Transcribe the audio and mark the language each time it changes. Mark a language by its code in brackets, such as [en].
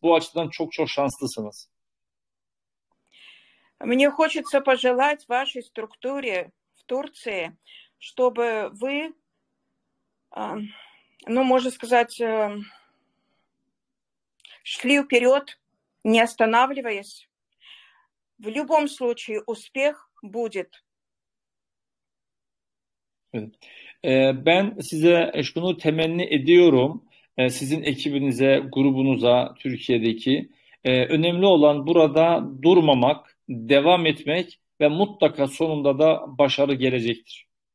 [tr] Bu açıdan çok çok şanslısınız. [ru] Мне хочется пожелать вашей структуре в Турции, чтобы вы, ну, можно сказать, шли вперед, не останавливаясь. В любом случае успех будет. [tr] Ben size şunu temenni ediyorum, sizin ekibinize, grubunuza, Türkiye'deki. Önemli olan burada durmamak, devam etmek ve mutlaka sonunda da başarı gelecektir.